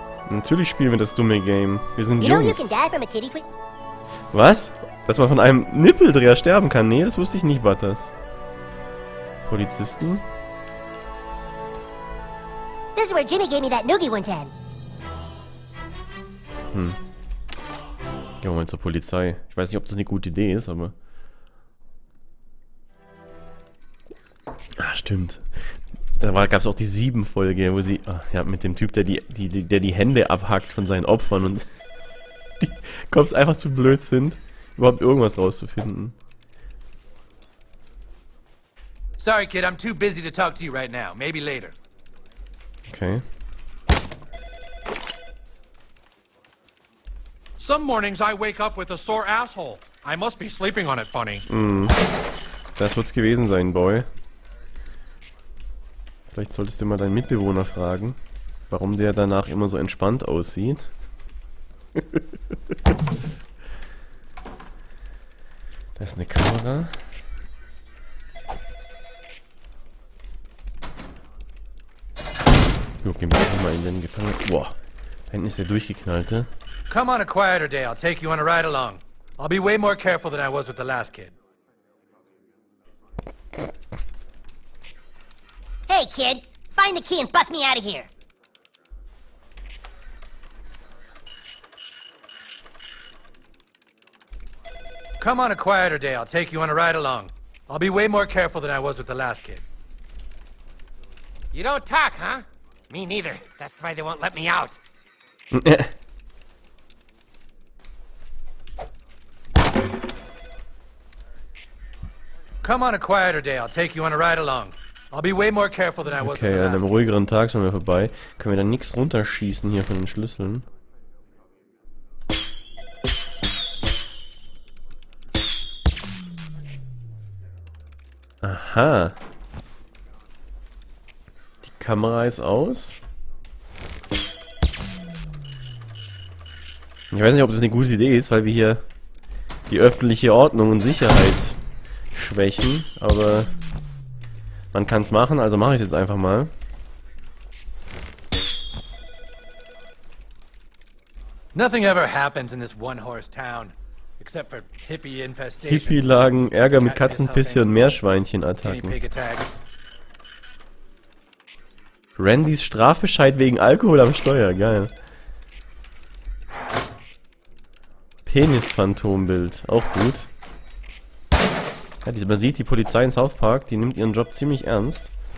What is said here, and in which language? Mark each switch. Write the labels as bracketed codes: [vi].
[de] natürlich spielen wir das dumme Game. Wir sind Jungs. Was? Dass man von einem Nippeldreher sterben kann? Nee, das wusste ich nicht, Butters. Polizisten? [en] This is where Jimmy gave me that noogie one time. [de] Gehen wir mal zur Polizei. Ich weiß nicht, ob das eine gute Idee ist, aber... Ah, stimmt. Da gab es auch die 7-Folge, wo sie... Ah, ja, mit dem Typ, der die Hände abhackt von seinen Opfern und... die Cops einfach zu blöd sind, überhaupt irgendwas rauszufinden. [en] Sorry, Kid, I'm too busy to talk to you right now. Maybe later. Okay. Some mornings I wake up with a sore asshole. I must be sleeping on it, funny. [de] Das wird's gewesen sein, Boy. Vielleicht solltest du mal deinen Mitbewohner fragen, warum der danach immer so entspannt aussieht. Da ist eine Kamera. Jo, gehen wir mal in den Gefangenen. Boah, da hinten ist der durchgeknallte. [en] Come on a quieter day, I'll take you on a ride along. I'll be way more careful than I was with the last kid. Hey kid, find the key and bust me out of here. Come on a quieter day, I'll take you on a ride along. I'll be way more careful than I was with the last kid. You don't talk, huh? Me neither. That's why they won't let me out. Come on a quieter day, I'll take you on a ride along. I'll be way more careful than I was with the last kid. [de] Okay, an einem ruhigeren Tag sind wir vorbei. Können wir da nichts runterschießen hier von den Schlüsseln? Aha. Die Kamera ist aus. Ich weiß nicht, ob das eine gute Idee ist, weil wir hier die öffentliche Ordnung und Sicherheit schwächen. Aber man kann es machen, also mache ich es jetzt einfach mal. [en] Nothing ever happens in this one-horse town. Except for hippie infestations. [de] Hippie lagen Ärger mit Katzenpisse und Meerschweinchen-Attacken. Randys Strafbescheid wegen Alkohol am Steuer, geil. Penis-Phantombild, auch gut. Ja, man sieht die Polizei in South Park, die nimmt ihren Job ziemlich ernst.